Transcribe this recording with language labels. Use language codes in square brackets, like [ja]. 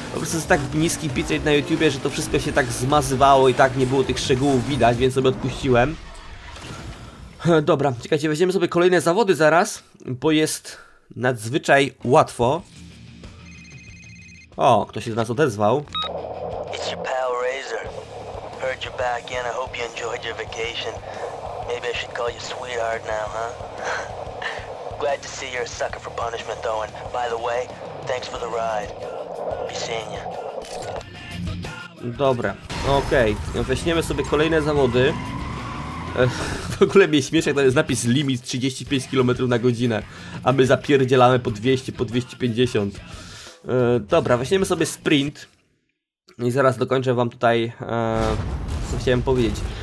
[pl] Po prostu jest tak niski pixel na YouTubie, że to wszystko się tak zmazywało i tak nie było tych szczegółów widać, więc sobie odpuściłem. Dobra, czekajcie, weźmiemy sobie kolejne zawody zaraz, bo jest nadzwyczaj łatwo. O, ktoś się do nas odezwał. [en] It's your pal Razor. Heard you back in, I hope you enjoyed your vacation. Maybe I should call you sweetheart now, huh? Glad to see you're a sucker for punishment, though, and by the way, thanks for the ride. Be seeing ya. [pl] Dobra, okej. [en] Okay. [pl] Weźmiemy sobie kolejne zawody. W ogóle mnie śmieszy, jak to jest napis limit 35 km na godzinę, a my zapierdzielamy po 200, po 250. Dobra, weźmiemy sobie sprint i zaraz dokończę wam tutaj, co chciałem powiedzieć.